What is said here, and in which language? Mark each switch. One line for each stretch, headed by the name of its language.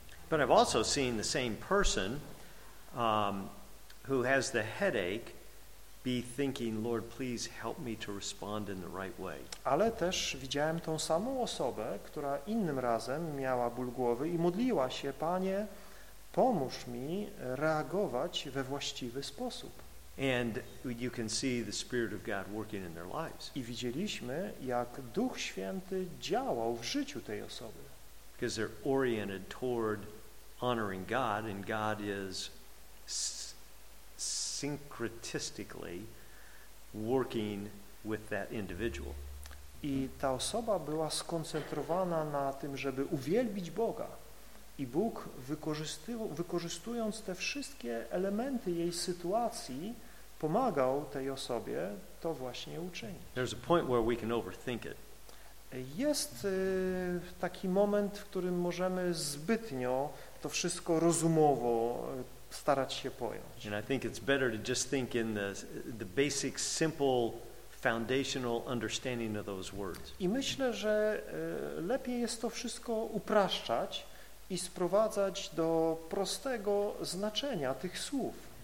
English: But I've also seen the same person who has the headache be thinking, Lord, please help me to respond in the right way.
Polish: Ale też widziałem tą samą osobę, która innym razem miała ból głowy i modliła się, Panie, pomóż mi reagować we właściwy sposób.
English: And you can see the Spirit of God working in their lives.
Polish: I widzieliśmy, jak Duch Święty działał w życiu tej osoby.
English: Because they're oriented toward honoring God, and God is syncretistically working with that individual.
Polish: I ta osoba była skoncentrowana na tym, żeby uwielbić Boga. I Bóg, wykorzystując te wszystkie elementy jej sytuacji, pomagał tej osobie to właśnie uczynić.
English: There's a point where we can overthink it.
Polish: Jest taki moment, w którym możemy zbytnio to wszystko rozumowo starać się pojąć.
English: And I think it's better to just think in the basic, simple, foundational understanding of those words.
Polish: I myślę, że lepiej jest to wszystko upraszczać i sprowadzać do prostego znaczenia tych słów.